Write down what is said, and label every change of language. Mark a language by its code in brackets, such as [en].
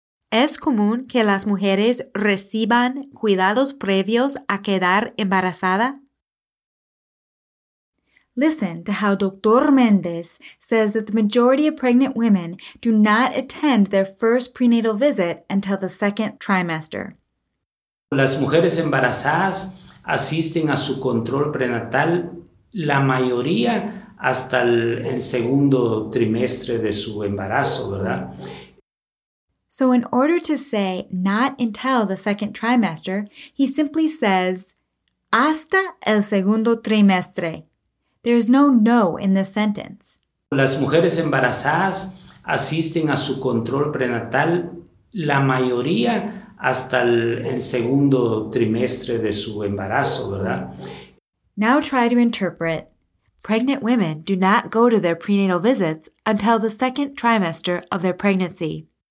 [es] ¿Es común que las mujeres reciban cuidados previos a quedar embarazada? [en] Listen to how Dr. Mendez says that the majority of pregnant women do not attend their first prenatal visit until the second trimester. [es] Las mujeres embarazadas asisten a su control prenatal la mayoría hasta el segundo trimestre de su embarazo, ¿verdad? [en] So in order to say not until the second trimester, he simply says [es] hasta el segundo trimestre. [en] There's no no in this sentence. [es] Las mujeres embarazadas asisten a su control prenatal la mayoría hasta el segundo trimestre de su embarazo, ¿verdad? [en] Now try to interpret. Pregnant women do not go to their prenatal visits until the second trimester of their pregnancy.